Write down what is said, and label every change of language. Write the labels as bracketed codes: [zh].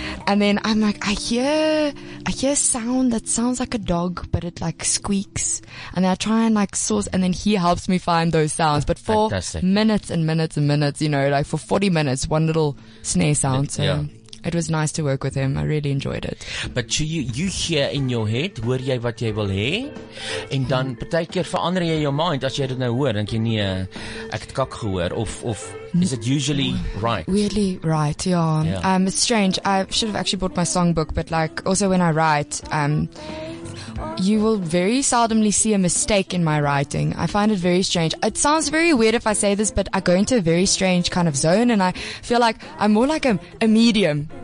[en] And then I'm like, I hear a sound that sounds like a dog, but it like squeaks. And then I try and like source, and then he helps me find those sounds. But for minutes and minutes and minutes, you know, like for 40 minutes, one little snare sound. So. Yeah. It was nice to work with him. I really enjoyed it. But you hear in your head, [af] hoor jy wat jy wil hê? En dan partykeer verander jy jou mind as jy dit nou hoor, dink jy nee, ek het kak gehoor of [en] is it usually right? Weirdly right, yeah. Yeah. It's strange. I should have actually bought my songbook, but like also when I write, you will very seldomly see a mistake in my writing. I find it very strange. It sounds very weird if I say this, but I go into a very strange kind of zone, and I feel like I'm more like a medium.